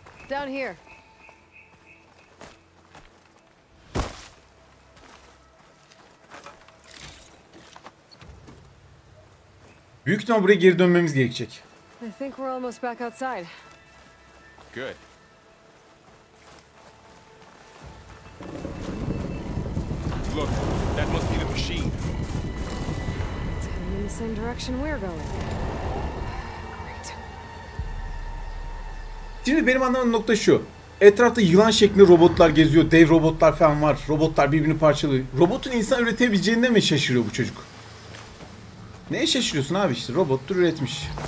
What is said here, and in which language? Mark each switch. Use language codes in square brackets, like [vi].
[en] Down here. [tr] Büyük ihtimal buraya geri dönmemiz gerekecek. [en] I think we're almost back outside. Good. Look, that must be the machine. It's heading in the same direction we're going. [tr] Şimdi benim anladığım nokta şu. Etrafta yılan şeklinde robotlar geziyor. Dev robotlar falan var. Robotlar birbirini parçalıyor. Robotun insan üretebileceğine mi şaşırıyor bu çocuk? Neye şaşırıyorsun abi işte? Robottur üretmiş.